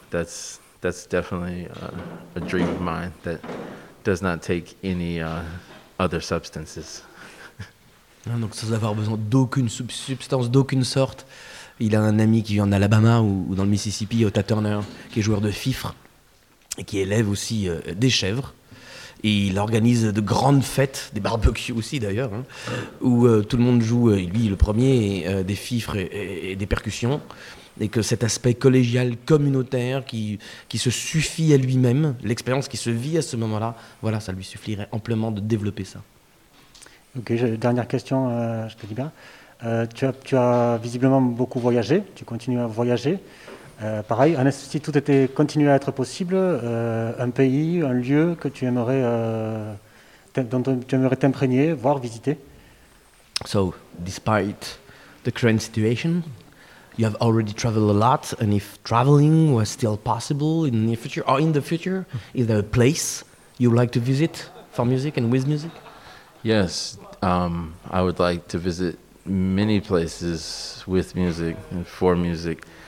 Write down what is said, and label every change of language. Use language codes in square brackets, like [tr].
[en] That's definitely a dream of mine that does not take any other substances. [fr] Donc sans avoir besoin d'aucune substance, d'aucune sorte, il a un ami qui vit en Alabama ou dans le Mississippi, Otha Turner, qui est joueur de fifre et qui élève aussi des chèvres. Et il organise de grandes fêtes, des barbecues aussi d'ailleurs, hein, où tout le monde joue, lui le premier, des fifres et des percussions. et que cet aspect collégial, communautaire, qui se suffit à lui-même, l'expérience qui se vit à ce moment-là, voilà, ça lui suffirait amplement de développer ça. Ok, dernière question, je te dis bien. Tu as visiblement beaucoup voyagé, tu continues à voyager. Pareil, si tout était continué à être possible, un pays, un lieu que tu aimerais, dont tu aimerais t'imprégner, voire visiter. [en] So, despite the current situation, you have already traveled a lot, and if traveling was still possible in the near future or in the future, is there a place you would like to visit for music and with music? Yes, I would like to visit many places with music and for music.